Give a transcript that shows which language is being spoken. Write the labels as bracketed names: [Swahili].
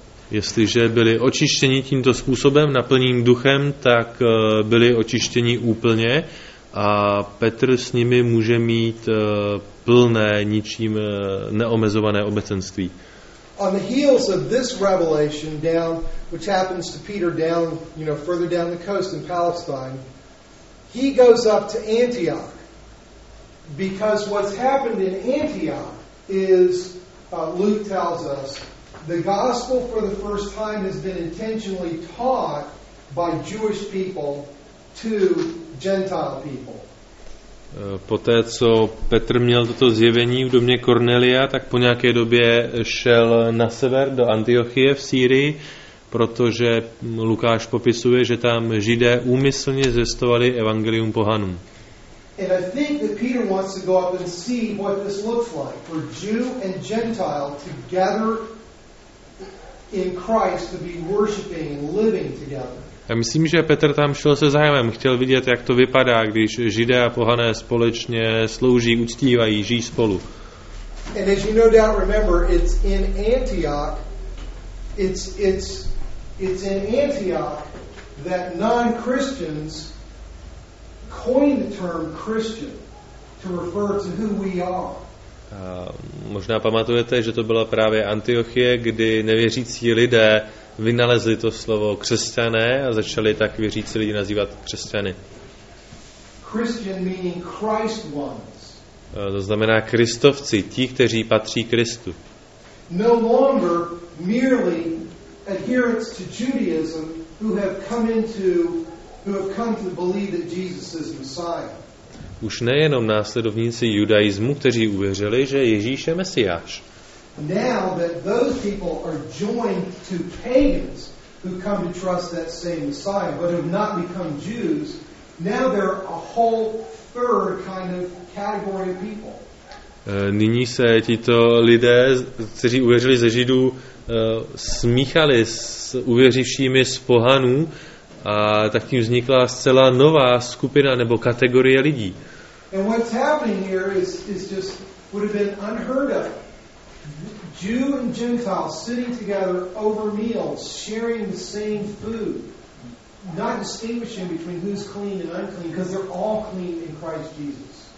[Czech] Jestliže byli očištěni tímto způsobem, naplněním duchem, tak byli očištěni úplně a Petr s nimi může mít plné, ničím neomezované obecenství. [English] On the heels of this revelation down, which happens to Peter down, you know, further down the coast in Palestine, he goes up to Antioch. Because what's happened in Antioch is, Luke tells us, the gospel for the first time has been intentionally taught by Jewish people to Gentile people. [Czech] Poté, co Petr měl toto zjevení v domě Kornelia, tak po nějaké době šel na sever do Antiochie v Sýrii, protože Lukáš popisuje, že tam Židé úmyslně zvěstovali evangelium pohanům. [English] And I think that Peter wants to go up and see what this looks like for Jew and Gentile together in Christ to be worshiping and living together. [Czech] Já myslím, že Petr tam šel se zájmem, chtěl vidět, jak to vypadá, když Židé a pohané společně slouží, uctívají, žijí spolu. [English] And as you no doubt remember, it's in Antioch, it's in Antioch that non-Christians coined the term Christian to refer to who we are. [Czech] A možná pamatujete, že to byla právě Antiochie, kdy nevěřící lidé vynalezli to slovo křesťané a začali tak věřící lidi nazývat křesťany. [English] Christian meaning Christ ones. [Czech] To znamená Kristovci, ti, kteří patří Kristu. [English] No longer merely adherents to Judaism who have come to believe that Jesus is Messiah. [Czech] Už nejenom následovníci judaismu, kteří uvěřili, že Ježíš je Mesiáš. [English] Now that those people are joined to pagans who come to trust that same Messiah but have not become Jews, now they're a whole third kind of category of people. [Czech] Nyní se tito lidé, kteří uvěřili ze Židů, smíchali s uvěřivšími z pohanů a tak tím vznikla zcela nová skupina nebo kategorie lidí. [English] And what's happening here is just would have been unheard of. Jew and Gentile sitting together over meals, sharing the same food, not distinguishing between who's clean and unclean, because they're all clean in Christ Jesus.